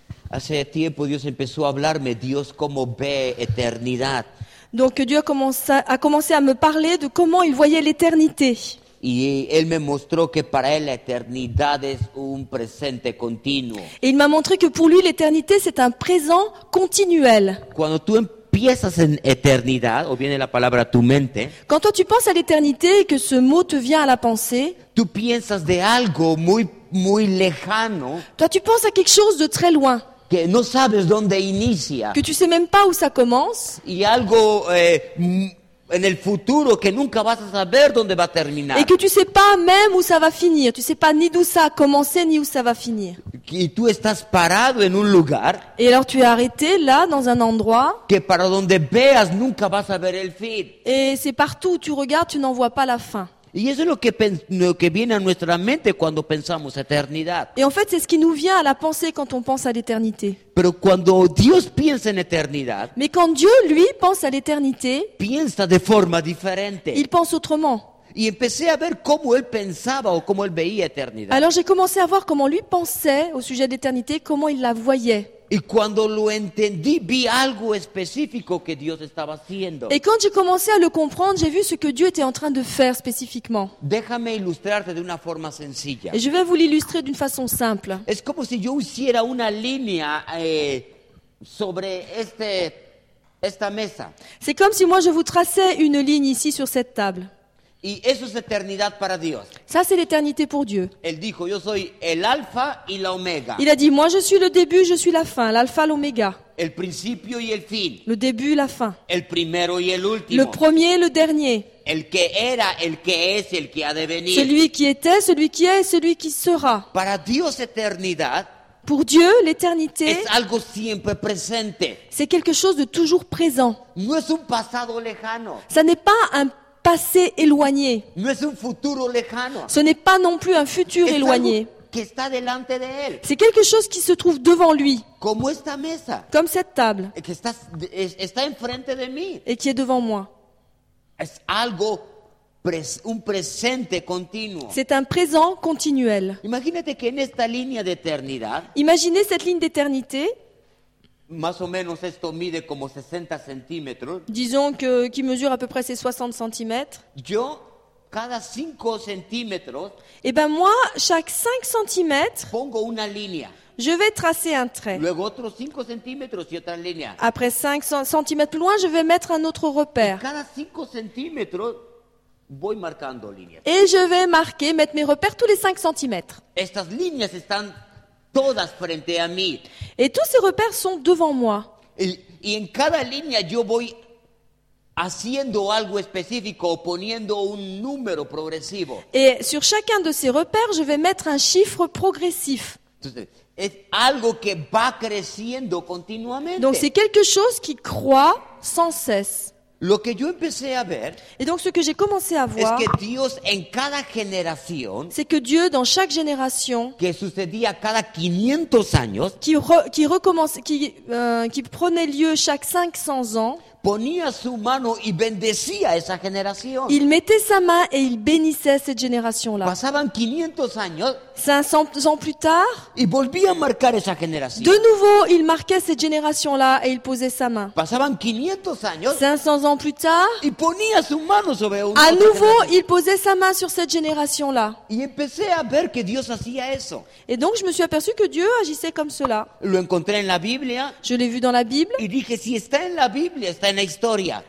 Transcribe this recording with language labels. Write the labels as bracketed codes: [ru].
[es] Hace tiempo Dios empezó a hablarme, Dios cómo ve eternidad. [fr] Donc Dieu a commencé à me parler de comment il voyait l'éternité. [es] Y él me mostró que para él la eternidad es un presente continuo. [fr] Et il m'a montré que pour lui l'éternité c'est un présent continuel. [es] Cuando tú empiezas en eternidad o viene la palabra a tu mente. [fr] Quand toi tu penses à l'éternité et que ce mot te vient à la pensée, [es] tú piensas de algo muy muy lejano. [fr] Toi tu penses à quelque chose de très loin. [es] Que no sabes dónde inicia. [fr] Que tu sais même pas où ça commence. [es] Y algo en el futuro que nunca vas a saber dónde va a terminar. [fr] Et que tu sais pas même où ça va finir, tu sais pas ni d'où ça a commencé ni où ça va finir. [es] Y tú estás parado en un lugar. [fr] Et alors tu es arrêté là dans un endroit. [es] Que para donde veas nunca vas a ver el fin. [fr] Et c'est partout où tu regardes, tu n'en vois pas la fin. [es] Y eso es lo que viene a nuestra mente cuando pensamos eternidad. [fr] Et en fait, c'est ce qui nous vient à la pensée quand on pense à l'éternité. [es] Pero cuando Dios piensa en eternidad, [fr] mais quand Dieu lui pense à l'éternité, [es] piensa de forma diferente. [fr] Il pense autrement. [es] Y empecé a ver cómo él pensaba o cómo él veía eternidad. [fr] Alors j'ai commencé à voir comment lui pensait au sujet de l'éternité, comment il la voyait. [es] Y cuando lo entendí, vi algo específico que Dios estaba haciendo. [fr] Et quand j'ai commencé à le comprendre, j'ai vu ce que Dieu était en train de faire spécifiquement. [es] Déjame ilustrarte de una forma sencilla. [fr] Et je vais vous l'illustrer d'une façon simple. [es] Es como si yo hiciera una línea sobre esta mesa. [fr] C'est comme si moi je vous traçais une ligne ici sur cette table. [es] Y eso es eternidad para Dios. [fr] Ça c'est l'éternité pour Dieu. [es] Él dijo, yo soy el alfa y la omega. [fr] Il a dit, moi je suis le début, je suis la fin, l'alpha, l'oméga. [es] El principio y el fin. [fr] Le début, la fin. [es] El primero y el último. [fr] Le premier, le dernier. [es] El que era, el que es, el que ha de venir. [fr] Celui qui était, celui qui est, celui qui sera. [es] Para Dios eternidad. [fr] Pour Dieu, l'éternité. [es] Es algo siempre presente. [fr] C'est quelque chose de toujours présent. [es] No es un pasado lejano. [fr] Ça n'est pas un passé éloigné. [es] No es un futuro lejano. [fr] Ce n'est pas non plus un futur [es] es [fr] éloigné. [es] Que está delante de él. [fr] C'est quelque chose qui se trouve devant lui. [es] Como esta mesa. [fr] Comme cette table. [es] Que está enfrente de mí. [fr] Et qui est devant moi. [es] Es algo un presente continuo. [fr] C'est un présent continuel. [es] Imagínate que en esta línea de eternidad, [fr] imaginez cette ligne d'éternité. [es] Más o menos esto mide como 60 centímetros. [fr] Disons que qui mesure à peu près ses 60 centimètres. [es] Yo cada 5 centímetros. [fr] Et ben moi chaque 5 centimètres. [es] Pongo una línea. [fr] Je vais tracer un trait. [es] Luego otros 5 centímetros y otra línea. [fr] Après 5 centimètres plus loin, je vais mettre un autre repère. [es] Y cada 5 centímetros voy marcando líneas. [fr] Et je vais marquer, mettre mes repères tous les 5 centimètres. [es] Estas líneas están todas frente a mí. [fr] Et tous ces repères sont devant moi. [es] Y en cada línea yo voy haciendo algo específico o poniendo un número progresivo. [fr] Et sur chacun de ces repères, je vais mettre un chiffre progressif. [es] Es algo que va creciendo continuamente. [fr] Donc c'est quelque chose qui croît sans cesse. [es] Lo que yo empecé a ver, [fr] et donc ce que j'ai commencé à voir, [es] es que Dios en cada generación, [fr] c'est que Dieu dans chaque génération, [es] que sucedía cada 500 años, [fr] qui prenait lieu chaque 500 ans, [es] ponía su mano y bendecía esa generación. [fr] Il mettait sa main et il bénissait cette génération-là. [es] Pasaban 500 años, [fr] 500 ans plus tard, [es] y volvía a marcar esa generación. [fr] De nouveau, il marquait cette génération-là et il posait sa main. [es] Pasaban 500 años, [fr] 500 ans plus tard, [es] y ponía su mano sobre una. [fr] À nouveau, il posait sa main sur cette génération-là. [es] Y empecé a ver que Dios hacía eso. [fr] Et donc, je me suis aperçu que Dieu agissait comme cela. [es] Lo encontré en la Biblia. [fr] Je l'ai vu dans la Bible. [es] Y dije, si está en la Biblia, está en la historia.